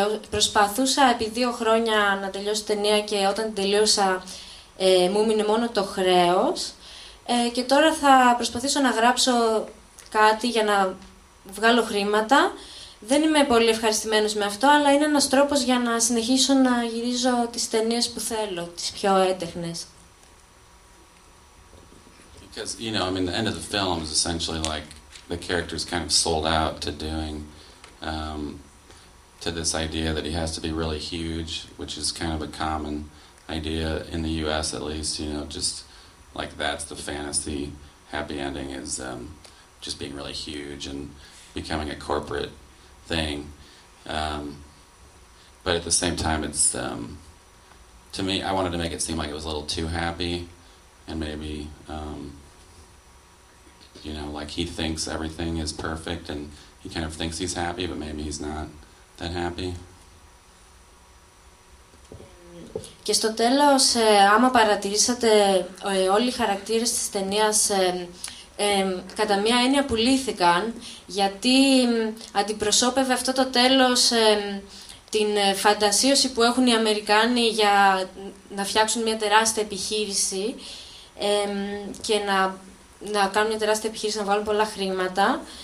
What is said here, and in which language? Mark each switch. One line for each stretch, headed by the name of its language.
Greek: Προσπαθούσα επί 2 χρόνια να τελειώσω ταινία και όταν τελείωσα μου έμεινε μόνο το χρέος. Και τώρα θα προσπαθήσω να γράψω κάτι για να βγάλω χρήματα. Δεν είμαι πολύ ευχαριστημένος με αυτό, αλλά είναι ένας τρόπος για να συνεχίσω να γυρίζω τις ταινίες που θέλω, τις πιο έντεχνες.
English: Because, you know, I mean, the end of the film is essentially like the character's kind of sold out to doing, to this idea that he has to be really huge, which is kind of a common idea in the US at least, you know, just like that's the fantasy happy ending is just being really huge and becoming a corporate thing, but at the same time, it's to me, I wanted to make it seem like it was a little too happy, and maybe you know, like he thinks everything is perfect, and he kind of thinks he's happy, but maybe he's not that happy.
Greek: Και στο τέλος, άμα παρατηρήσατε, όλοι οι χαρακτήρες της ταινίας κατά μία έννοια πουλήθηκαν, γιατί αντιπροσώπευε αυτό το τέλος την φαντασίωση που έχουν οι Αμερικάνοι για να φτιάξουν μία τεράστια επιχείρηση και να κάνουν μία τεράστια επιχείρηση, να βάλουν πολλά χρήματα.